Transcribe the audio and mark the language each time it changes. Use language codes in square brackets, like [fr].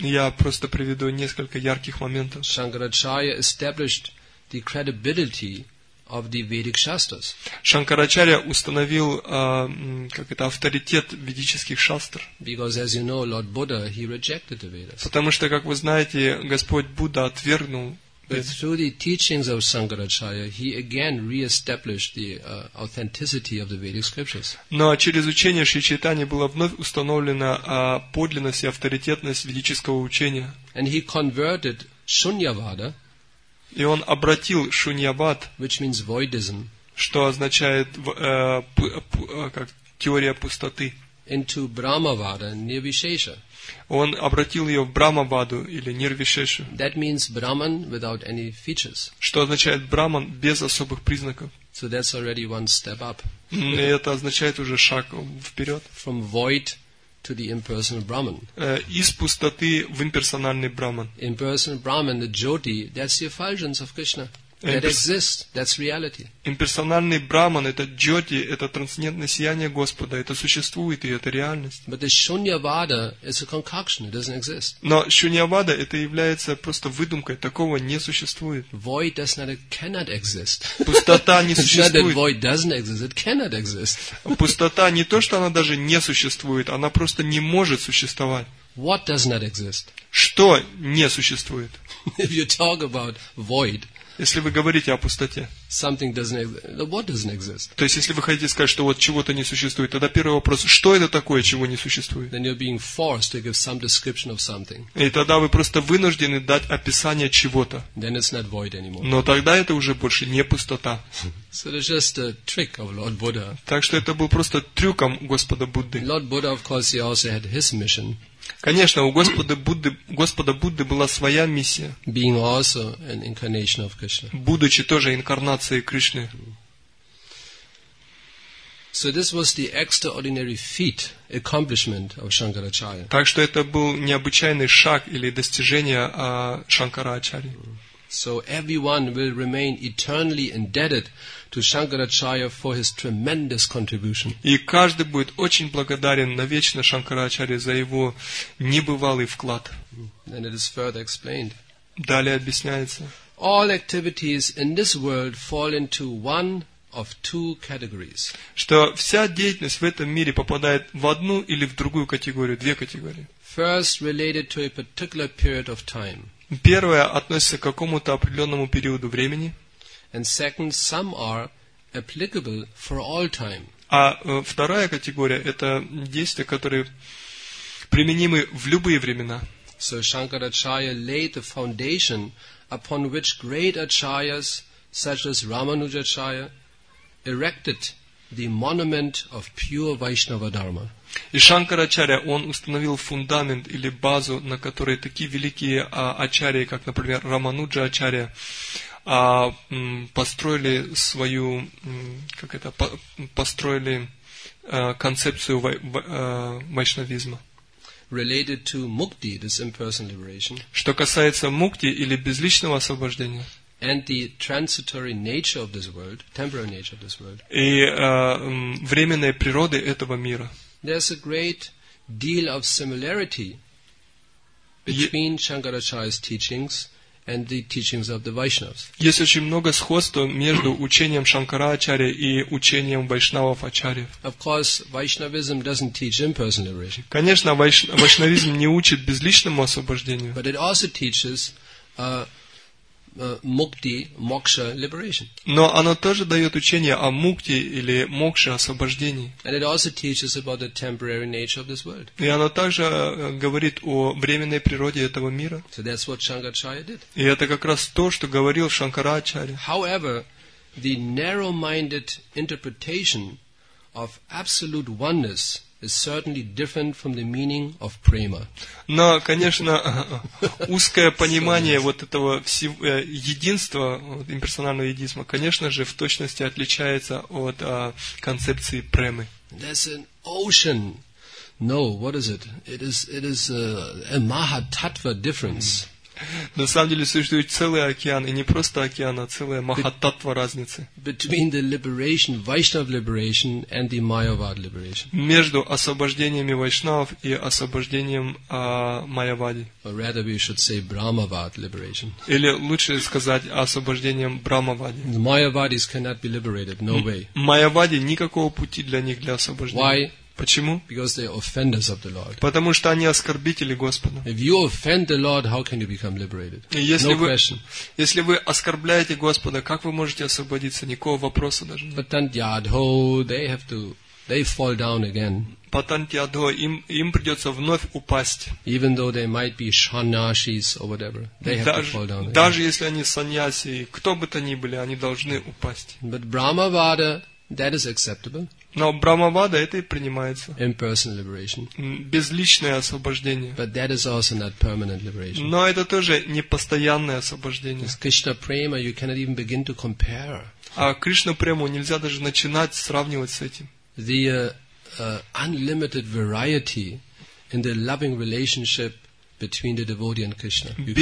[ru] Я просто приведу несколько ярких моментов. [en] Shankaracharya established the credibility of the Vedic Shastras. [ru] Шанкарачарья установил как это авторитет ведических шастр. [en] Because as you know, Lord Buddha, he rejected the Vedas. [ru] Потому что, как вы знаете, Господь Будда отвергнул. [en] But through the teachings of Shankaracharya, he again re-established the authenticity of the Vedic scriptures. [ru] Но через учение Шри Чайтаньи было вновь установлено подлинность и авторитетность ведического учения. [en] And he converted Shunyavada. [ru] И он обратил шуньявад, [en] which means voidism, [ru] что означает как теория пустоты, [en] into брахмавада, нирвишеша. [ru] Он обратил ее в брахмаваду или нирвишешу. [en] That means brahman without any features. [ru] Что означает брахман без особых признаков. [en] So that's already one step up. [ru] И это означает уже шаг вперед. [en] From void to the impersonal Brahman. [ru] Из пустоты в имперсональный Брахман. [en] Impersonal Brahman, the Jyoti, that's the effulgence of Krishna. That exists, that's reality. [ru] Имперсональный Брахман, это Джоти, это трансцендентное сияние Господа, это существует и это реальность. [en] But the Shunyavada is a concoction, it doesn't exist. [ru] Но Шуньявада это является просто выдумкой, такого не существует. [en] Void does not, cannot exist. [ru] Пустота не существует. [en] It's not that void doesn't exist, it cannot exist. [ru] Пустота не то, что она даже не существует, она просто не может существовать. [en] What does not exist? [ru] Что не существует? [en] If you talk about void. [ru] Если вы говорите о пустоте, [en] something doesn't, what doesn't exist? [ru] То есть, если вы хотите сказать, что вот чего-то не существует, тогда первый вопрос, что это такое, чего не существует? [en] Then you're being forced to give some description of something. [ru] И тогда вы просто вынуждены дать описание чего-то. [en] Then it's not void anymore. [ru] Но тогда это уже больше не пустота. [en] So it's just a trick of Lord Buddha. [ru] Так что это был просто трюком Господа Будды. [en] Lord Buddha, of course, he also had his mission. [ru] Конечно, у Господа Будды была своя миссия. [en] Being also an incarnation of Krishna. [ru] Будучи тоже инкарнацией Кришны. [en] So this was the extraordinary feat, accomplishment of Shankaracharya. [ru] Так что это был необычайный шаг или достижение Шанкарачарьи. [en] So everyone will remain eternally indebted to Shankaracharya for his tremendous contribution. [ru] И каждый будет очень благодарен навечно Шанкарачарье за его небывалый вклад. [en] And it is further explained. [ru] Далее объясняется. [en] All activities in this world fall into one of two categories. [ru] Что вся деятельность в этом мире попадает в одну или в другую категорию, две категории. [en] First related to a particular period of time. [ru] Первое относится к какому-то определенному периоду времени. [en] And second, some are applicable for all time. [ru] А вторая категория – это действия, которые применимы в любые времена. [en] So Shankaracharya laid the foundation upon which great acharyas, such as Ramanujacharya, erected the monument of pure Vaishnava Dharma. [ru] И Шанкарачарья, он установил фундамент или базу, на которой такие великие ачарьи, как, например, Рамануджа Ачарья, построили свою, как это, построили концепцию вайшнавизма. [en] Related to mukti, this impersonal liberation. [ru] Что касается мукти или безличного освобождения. [en] And the transitory nature of this world, temporary nature of this world. [ru] И временной природы этого мира. [en] There's a great deal of similarity between Shankaracharya's teachings and the teachings of the Vaishnavas. [ru] Есть очень много сходства между учением Шанкарачарьи и учением Вайшнавов Ачарьев. [en] Of course, Vaishnavism doesn't teach impersonal liberation. [ru] Конечно, вайшнавизм не учит безличному освобождению. [en] But it also teaches мукти, мокша, liberation. [ru] Но оно тоже дает учение о мукти или мокше, освобождении. [en] And it also teaches about the temporary nature of this world. [ru] И оно также говорит о временной природе этого мира. [en] So that's what Shankaracharya did. [ru] И это как раз то, что говорил Шанкарачарья. [en] However, the narrow-minded interpretation of absolute oneness is certainly different from the meaning of prema. [ru] Но, конечно, узкое понимание вот этого всего, единства, вот, имперсонального единства, конечно же, в точности отличается от концепции премы. [en] There's an ocean. No, what is it? It is a mahatattva difference. [ru] На самом деле существует целый океан, и не просто океан, а целая махататва разницы. [en] Between the liberation, Vaishnav liberation and the Mayavad liberation. [ru] Между освобождениями Вайшнавов и освобождением Майявади. [en] Or rather we should say Brahmavad liberation. [ru] Или лучше сказать освобождением Брахмавади. [en] The Mayavadis cannot be liberated, no way. [ru] Майявади никакого пути для них для освобождения. [en] Why? [ru] Почему? [en] Because they are offenders of the Lord. [ru] Потому что они оскорбители Господа. [en] If you offend the Lord, how can you become liberated? No question. [ru] Если вы оскорбляете Господа, как вы можете освободиться? Никакого вопроса даже нет. [en] Patantyadho, they fall down again. [ru] Patantyadho, им придется вновь упасть. [en] Even though they might be sannyasis or whatever, they have to fall down again. [ru] Даже если они саньяси, кто бы то ни были, они должны упасть. [en] But Brahmavada, that is acceptable. [ru] Но Брахмавада это и принимается. [en] Impersonal liberation. [ru] Безличное освобождение. [en] But that is also not permanent liberation. [ru] Но это тоже не постоянное освобождение. [en] With Krishna prema you cannot even begin to compare. [ru] А Кришна прему нельзя даже начинать сравнивать с этим. [en] The unlimited variety in the loving relationship between the devotee and Krishna.